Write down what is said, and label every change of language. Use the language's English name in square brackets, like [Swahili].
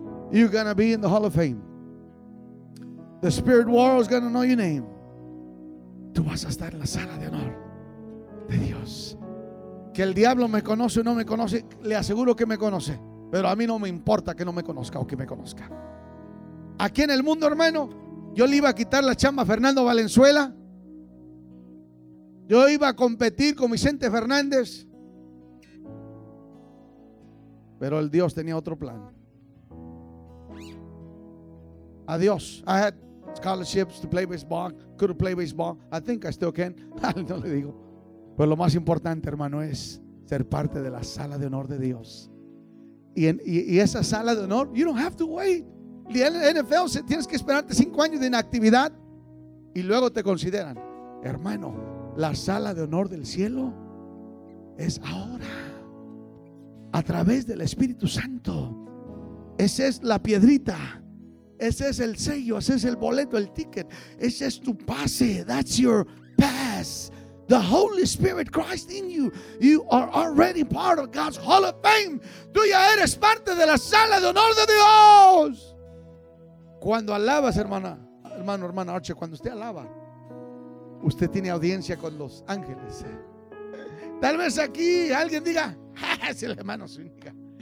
[English] You're going to be in the Hall of Fame. The spirit world is going to know your name. [Spanish] Tú vas a estar en la sala de honor de Dios. Que el diablo me conoce o no me conoce, le aseguro que me conoce. Pero a mí no me importa que no me conozca o que me conozca. Aquí en el mundo, hermano, yo le iba a quitar la chamba a Fernando Valenzuela. Yo iba a competir con Vicente Fernández. Pero el Dios tenía otro plan. Adiós. [English] I had scholarships to play baseball. Could play baseball. I think I still can. [Spanish] No le digo. Pues lo más importante, hermano, es ser parte de la sala de honor de Dios. Y esa sala de honor, [English] you don't have to wait. [Spanish] En la NFL tienes que esperarte 5 años de inactividad y luego te consideran. Hermano, la sala de honor del cielo es ahora, a través del Espíritu Santo. Esa es la piedrita Ese es el sello, ese es el boleto, el ticket. Ese es tu pase. [English] That's your pass. The Holy Spirit, Christ in you. You are already part of God's Hall of Fame. [Spanish] Tú ya eres parte de la sala de honor de Dios. Cuando alabas, hermana, hermano, hermana Arche, cuando usted alaba, usted tiene audiencia con los ángeles. Tal vez aquí alguien diga, es el hermano Zúñiga.